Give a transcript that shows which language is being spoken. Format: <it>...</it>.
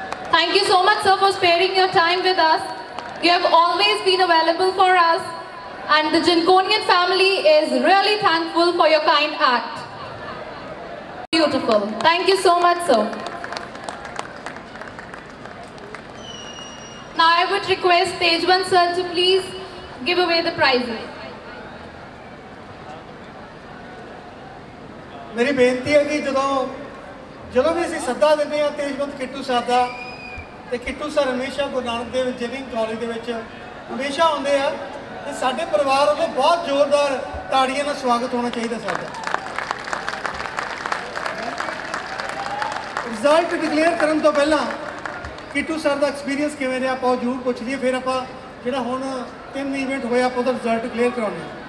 <en>Thank you so much, sir, for sparing your time with us. You have always been available for us, and the Jinkonian family is really thankful for your kind act. Beautiful. Thank you so much, sir. Now I would request Tejwant sir to please give away the prizes.</en> <pa>मेरी बेनती है कि जदों भी असीं सद्दा दिंदे आ तेजवंत किट्टू साहब दा, ते किट्टू सर हमेशा गुरु नानक देव इंजीनियरिंग कॉलेज दे विच हमेशा आउंदे आ, ਤੇ ਸਾਡੇ ਪਰਿਵਾਰ ਵੱਲੋਂ ਬਹੁਤ ਜ਼ੋਰਦਾਰ ਤਾੜੀਆਂ ਨਾਲ ਸਵਾਗਤ ਹੋਣਾ ਚਾਹੀਦਾ ਸਾਡਾ। ਰਿਜ਼ਲਟ ਡਿਕਲੇਅਰ ਕਰਨ ਤੋਂ ਪਹਿਲਾਂ ਕਿੱਟੂ ਸਰ ਦਾ ਐਕਸਪੀਰੀਅੰਸ ਕਿਵੇਂ ਰਿਹਾ ਆਪਾਂ ਜ਼ਰੂਰ ਪੁੱਛ ਲਈਏ, ਫਿਰ ਆਪਾਂ ਜਿਹੜਾ ਹੁਣ ਤਿੰਨ ਇਵੈਂਟ ਹੋਏ ਆਪਾਂ ਉਹਦਾ ਰਿਜ਼ਲਟ ਡਿਕਲੇਅਰ ਕਰਾਉਂਦੇ ਹਾਂ।</pa>